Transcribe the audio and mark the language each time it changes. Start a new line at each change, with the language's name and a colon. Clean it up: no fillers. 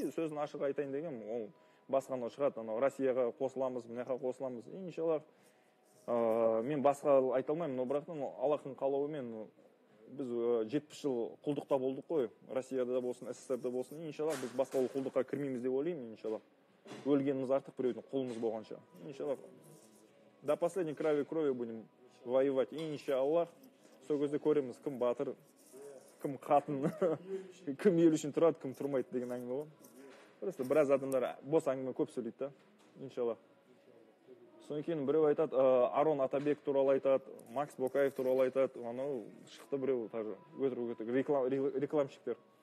Kazakh: Сөзін ашық айтайын деген, ол басқаны шығады, анау Россияға қосыламыз, мына жаққа қосыламыз, иншалла. Мен басқа айта алмаймын, но бірақ Аллахтың қалауымен. Біз 70 жыл құлдықта болдық қой, Россияда да болсын, СССР-де болсын, иншалла біз басқа ол құлдыққа кірмейміз деп ойлаймын, иншалла. Өлгеніміз артық біреудің қолымыз болғанша, иншалла.
Russian: До последней крови крови будем воевать, иншалла.
Kazakh: Сол кезде көреміз, кім батыр, кім қатын, кім ел үшін тұрады, кім тұрмайды деген әңгіме ғой. Просто біраз адамдар бос әңгіме көп сөйлейді, иншалла. С Сонкин, біреу айтат, Арон Атабек туралы айтат, Макс Бокаев туралы айтат, ану шықты біреу, тажы, өтір-өтір, рекламщиктер.